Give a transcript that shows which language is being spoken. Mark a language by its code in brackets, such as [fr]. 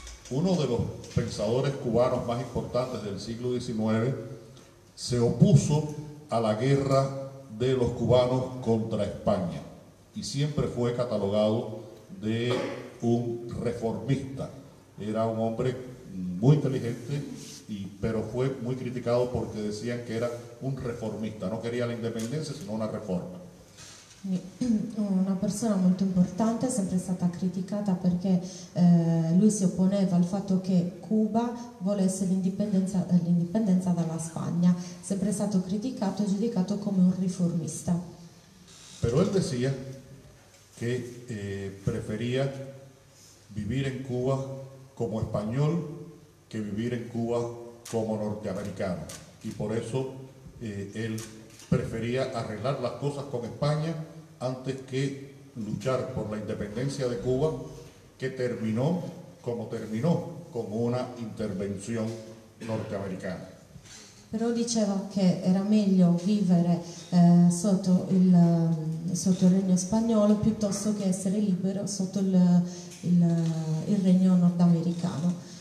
[es] Uno de los pensadores cubanos más importantes del siglo XIX se opuso a la guerra de los cubanos contra España y siempre fue catalogado de un reformista. Era un hombre muy inteligente, pero fue muy criticado porque decían que era un reformista, no quería la independencia sino una reforma. [it] Una persona molto importante, sempre stata criticata perché lui si opponeva al fatto che Cuba volesse l'indipendenza dalla Spagna, sempre stato criticato e giudicato come un riformista. [es] Però él decía che preferiva vivere in Cuba come español che vivere in Cuba come norteamericano, e por eso él preferiva arreglar las cosas con España antes que luchar por la independencia de Cuba, que terminó como terminó, con una intervención norteamericana. [it] Però diceva che era meglio vivere sotto il regno spagnolo piuttosto che essere libero sotto il regno nordamericano.